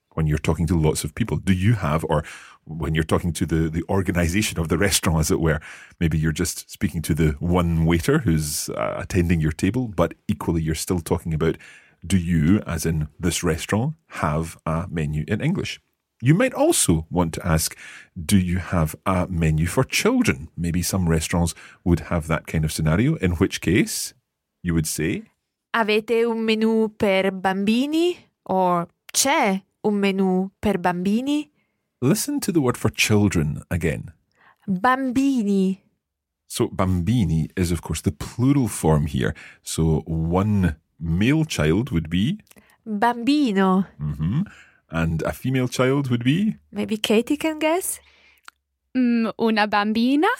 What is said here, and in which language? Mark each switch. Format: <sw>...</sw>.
<en>When you're talking to lots of people, do you have, or when you're talking to the organization of the restaurant, as it were, maybe you're just speaking to the one waiter who's attending your table, but equally you're still talking about, do you, as in this restaurant, have a menu in English? You might also want to ask, do you have a menu for children? Maybe some restaurants would have that kind of scenario, in which case you would say,</en> <it>avete un menu per bambini, or c'è un menu per bambini?</it> <en>Listen to the word for children again.</en> <it>Bambini.</it> <en>So bambini is, of course, the plural form here. So one male child would be?</en> <it>Bambino.</it> <en>Mm-hmm. And a female child would be? Maybe Katie can guess.</en> <it>Una bambina.</it>